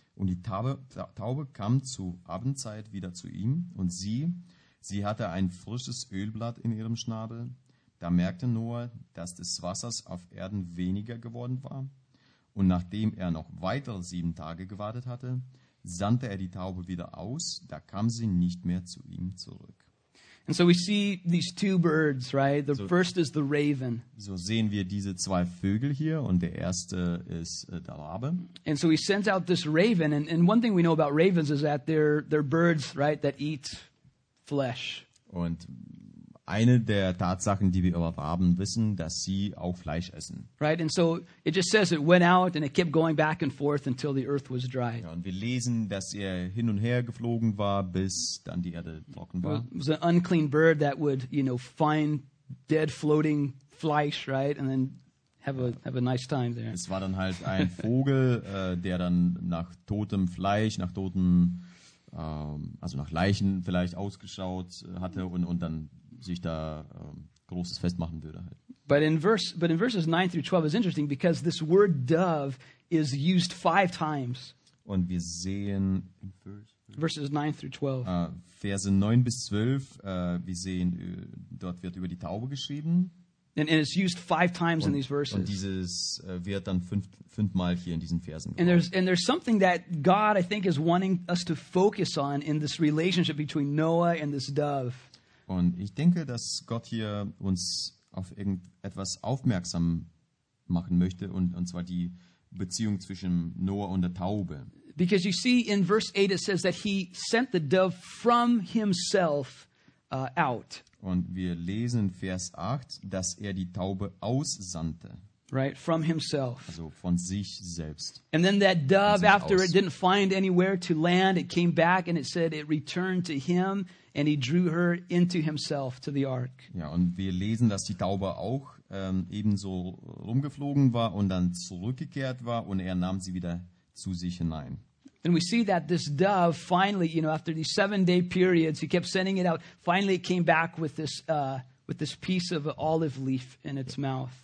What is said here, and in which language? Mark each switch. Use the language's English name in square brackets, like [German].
[German] Und die Taube kam zu Abendzeit wieder zu ihm, und sie hatte ein frisches Ölblatt in ihrem Schnabel. Da merkte Noah, dass des Wassers auf Erden weniger geworden war. Und nachdem er noch weitere 7 Tage gewartet hatte, sandte er die Taube wieder aus. Da kam sie nicht mehr zu ihm zurück. [English] And so we see these two birds, right? The first is the raven. [German] So sehen wir diese zwei Vögel hier, und der erste ist der Rabe. [English] And so he sends out this raven. And one thing we know about ravens is that they're birds, right, that eat flesh. [German] Und eine der Tatsachen, die wir über Raben wissen, dass sie auch Fleisch essen. [English] Right, and so it just says it went out and it kept going back and forth until the earth was dry. [German] Ja, und wir lesen, dass er hin und her geflogen war, bis dann die Erde trocken war. [English] It was an unclean bird that would, you know, find dead floating Fleisch, right, and then have a nice time there. [German] Es war dann halt ein Vogel, der dann nach totem Fleisch, nach toten, also nach Leichen vielleicht ausgeschaut hatte und dann sich da großes Fest machen würde. [English] But in verses 9 through 12 is interesting because this word dove is used 5 times. [German] Und wir sehen [English] verses 9 through 12. [German] Verse 9 bis 12, wir sehen, dort wird über die Taube geschrieben. [English] And it's used 5 times in these verses. [German] Und dieses wird dann 5 Mal hier in diesen Versen gebraucht. [English] And there's something that God, I think, is wanting us to focus on in this relationship between Noah and this dove. [German] Und ich denke, dass Gott hier uns auf irgendetwas aufmerksam machen möchte, und zwar die Beziehung zwischen Noah und der Taube. [English] Because you see, in verse 8 it says that he sent the dove from himself out. [German] Und wir lesen in Vers 8, dass er die Taube aussandte. [English] Right, from himself. [German] Also von sich selbst. [English] And then that dove, after it didn't find anywhere to land, it came back and it said it returned to him. And he drew her into himself to the ark. [German] Ja, und wir lesen, dass die Taube auch ebenso rumgeflogen war und dann zurückgekehrt war, und er nahm sie wieder zu sich hinein. [English] And we see that this dove finally, you know, after these 7-day periods, he kept sending it out. Finally, it came back with this piece of olive leaf in its mouth.